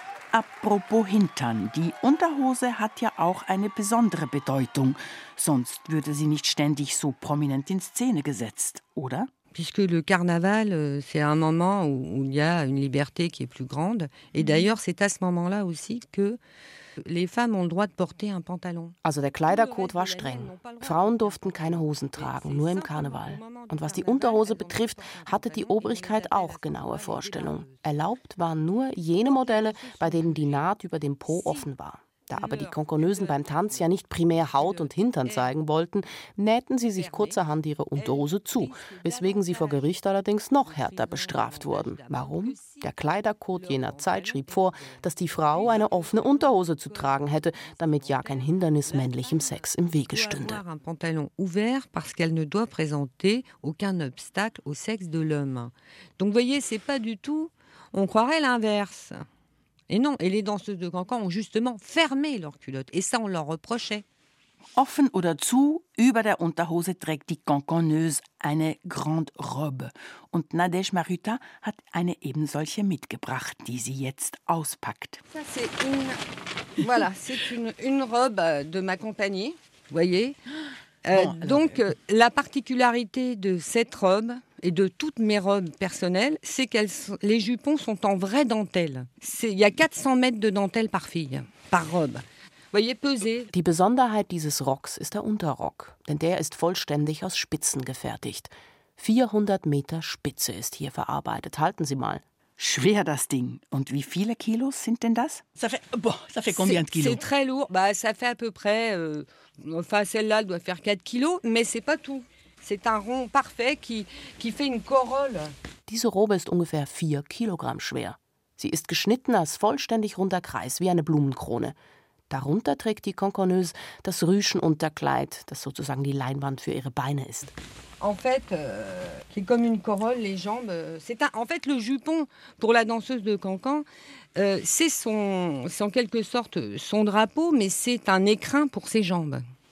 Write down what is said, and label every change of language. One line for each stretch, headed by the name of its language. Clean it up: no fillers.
German: Apropos Hintern, die Unterhose hat ja auch eine besondere Bedeutung. Sonst würde sie nicht ständig so prominent in Szene gesetzt, oder?
French: Puisque le carnaval, c'est un moment où il y a une liberté qui est plus grande. Et d'ailleurs, c'est à ce moment-là aussi que les femmes ont le droit de porter un pantalon.
German: Also der Kleiderkode war streng. Frauen durften keine Hosen tragen, nur im Karneval. Und was die Unterhose betrifft, hatte die Obrigkeit auch genaue Vorstellungen. Erlaubt waren nur jene Modelle, bei denen die Naht über dem Po offen war. Da aber die Konkonösen beim Tanz ja nicht primär Haut und Hintern zeigen wollten, nähten sie sich kurzerhand ihre Unterhose zu, weswegen sie vor Gericht allerdings noch härter bestraft wurden. Warum? Der Kleiderkode jener Zeit schrieb vor, dass die Frau eine offene Unterhose zu tragen hätte, damit ja kein Hindernis männlichem Sex im Wege stünde.
French: Ein Pantalon ouvert, parce qu'elle ne doit présenter aucun obstacle au sexe de l'homme. Donc voyez, c'est pas du tout, on croirait l'inverse. Et non, et les danseuses de Cancan ont justement fermé leurs culottes. Et ça, on leur reprochait.
German: Offen oder zu, über der Unterhose trägt die Cancaneuse eine grande robe. Und Nadège Maruta hat eine ebensolche mitgebracht, die sie jetzt auspackt.
French: Ça, c'est une... Voilà, c'est une robe de ma compagnie, voyez. Donc, la particularité de cette robe... Et de toutes mes robes personnelles, c'est que les jupons sont en vraie dentelle. Il y a 400 mètres de dentelle par fille, par robe.
German: Die Besonderheit dieses Rocks ist der Unterrock, denn der ist vollständig aus Spitzen gefertigt. 400 Meter Spitze ist hier verarbeitet, halten Sie mal. Schwer das Ding. Und wie viele Kilos sind denn das?
French: Ça fait combien de kilos? C'est très lourd. Bah, ça fait à peu près. Enfin, celle-là doit faire 4 kilos, mais c'est pas tout. C'est un rond parfait qui fait une corolle.
German: Diese Robe ist ungefähr 4 Kilogramm schwer. Sie ist geschnitten als vollständig runder Kreis, wie eine Blumenkrone. Darunter trägt die Cancaneuse das Rüschenunterkleid, das sozusagen die Leinwand für ihre Beine ist.
French: En fait, c'est comme une corolle, les jambes. C'est un, en fait, le jupon pour la danseuse de Cancan, c'est en quelque sorte son drapeau, mais c'est un écrin pour ses jambes.